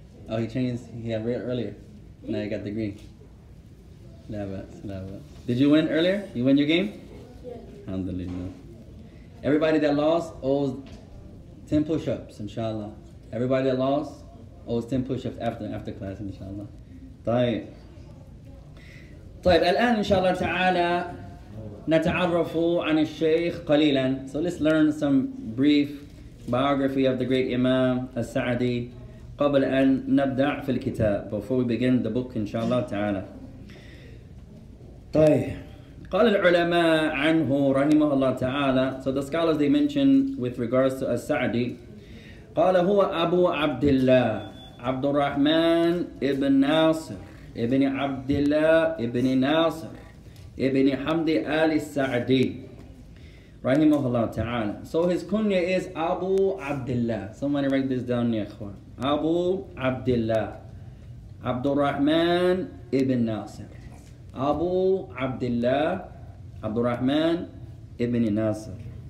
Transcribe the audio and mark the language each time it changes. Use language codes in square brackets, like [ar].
[en] Oh, he changed. He had red earlier. Now he got the green. Did you win earlier? You win your game? Yeah. Alhamdulillah. Everybody that lost owes 10 push-ups, inshallah. Everybody that lost owes 10 push-ups after class, inshallah. [ar] طيب. طيب, الآن inshallah ta'ala نتعرف عن الشيخ قليلا. [en] So let's learn some brief biography of the great Imam al-Sa'di [ar] قبل أن نبدأ في الكتاب. [en] Before we begin the book, inshallah ta'ala. [ar] طيب, قال العلماء عنه رحمه الله تعالى. [en] So the scholars, they mention with regards to al-Sa'di. [ar] قال هو أبو عبد الله عبد الرحمن ابن ناصر ابن عبد الله ابن ناصر Ibn Hamdi Ali Sa'di rahimahullah ta'ala. [en] So his kunya is Abu Abdullah. Somebody write this down, ya ikhwan. Abu Abdullah Abdurrahman Ibn Nasir. Abu Abdullah Abdurrahman Ibn Nasir.